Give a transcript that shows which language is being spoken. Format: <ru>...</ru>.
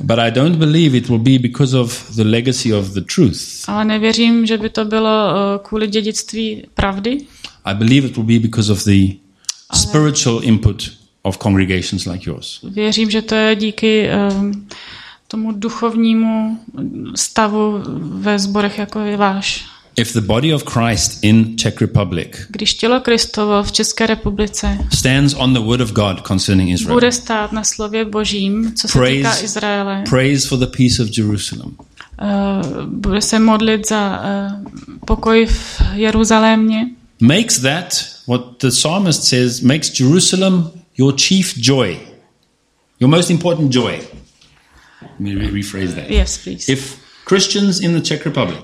<en>But I don't believe it will be because of the legacy of the truth.</en> <cs>Ale nevěřím, že by to bylo kvůli dědictví pravdy.</cs> <en>I believe it will be because of the spiritual input of congregations like yours.</en> <cs>Věřím, že to je díky tomu duchovnímu stavu ve sborech jako je váš.</cs> <en>If the body of Christ in Czech Republic,</en> <cs>když tělo Kristovo v České republice,</cs> <en>stands on the word of God concerning Israel,</en> <cs>bude stát na slově Božím, co se týká Izraele,</cs> <en>prays for the peace of Jerusalem,</en> <cs>bude se modlit za pokoj v Jeruzalémě,</cs> <en>makes that what the psalmist says makes Jerusalem your chief joy, your most important joy. Let me rephrase that. Yes, please. If Christians in the Czech Republic,</en>